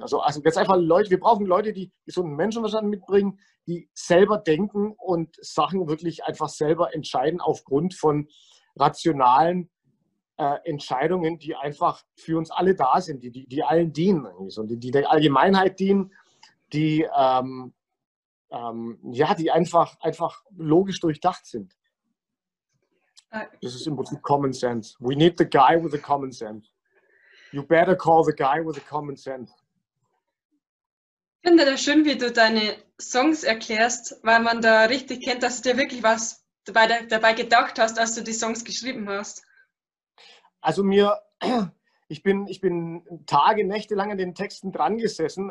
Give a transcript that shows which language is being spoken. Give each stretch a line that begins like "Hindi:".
German: Also jetzt einfach Leute, wir brauchen Leute, die gesunden Menschenverstand mitbringen, die selber denken und Sachen wirklich einfach selber entscheiden aufgrund von rationalen Entscheidungen, die einfach für uns alle da sind, die allen dienen irgendwie so, die der Allgemeinheit dienen, die einfach logisch durchdacht sind. Das ist im Prinzip Common Sense.
English: We need the guy with the Common Sense. You better call the guy with the Common Sense.
German: Ich finde das schön, wie du deine Songs erklärst, weil man da richtig kennt, dass du dir wirklich was dabei gedacht hast, als du die Songs geschrieben hast. Also ich bin Tage, Nächte lang an den Texten dran gesessen.